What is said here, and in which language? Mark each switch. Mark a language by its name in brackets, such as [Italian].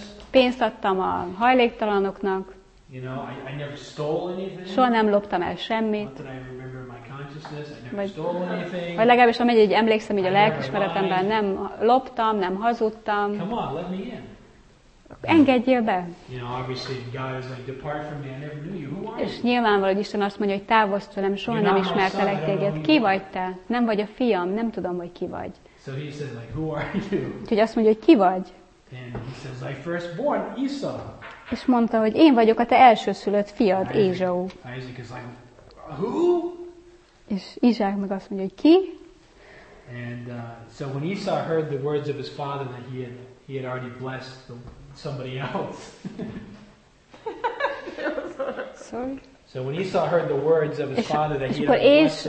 [Hungarian] Pénzt adtam a hajléktalanoknak. [English] I never stole anything. [Hungarian] Soha nem loptam el semmit. [English] Not that I remember my consciousness. I never stole anything. [Hungarian] Vagy legalábbis amennyire így emlékszem, hogy a lelkismeretemben nem loptam, nem hazudtam. [English] Come on, let me in. [Hungarian] Engedjél be. [English] Obviously God is like, depart from me. I never knew you. Who are you? [Hungarian] És nyilvánvaló, hogy Isten azt mondja, hogy távozz tőlem, soha nem ismertelek téged. Ki vagy te? Nem vagy a fiam, nem tudom, hogy ki vagy. [English] So he says, like, who are you? [Hungarian] Úgyhogy azt mondja, hogy ki vagy? [English] And he says, thy firstborn, Esau. [Hungarian] És mondta, hogy én vagyok a te elsőszülött fiad, Ézsau. [English] Isaac is like, who? [Hungarian] És Izsák meg azt mondja, hogy ki? [English] And so when Esau heard the words of his father that he had already blessed somebody else. Sorry. So when Esau heard the words of his father that he had already blessed somebody else.